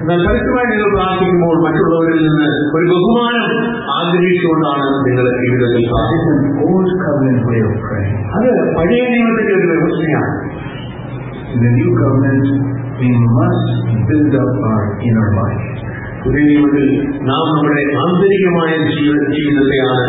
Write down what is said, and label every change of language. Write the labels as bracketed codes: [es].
[ml] എന്നാൽ കരുത്തമായി നിങ്ങൾ പ്രാർത്ഥിക്കുമ്പോൾ മറ്റുള്ളവരിൽ നിന്ന് ഒരു ബഹുമാനം ആഗ്രഹിച്ചുകൊണ്ടാണ് നിങ്ങൾ ജീവിതത്തിൽ പ്രാർത്ഥിക്കുന്നത്. അത് പഴയ നിയമത്തിന്റെ ഒരു വ്യവസ്ഥയാണ്. [en] In the new covenant, we must build up our inner mind. [ml] പുതിയ നിയമത്തിൽ നാം നമ്മുടെ ആന്തരികമായ ജീവിതത്തെയാണ്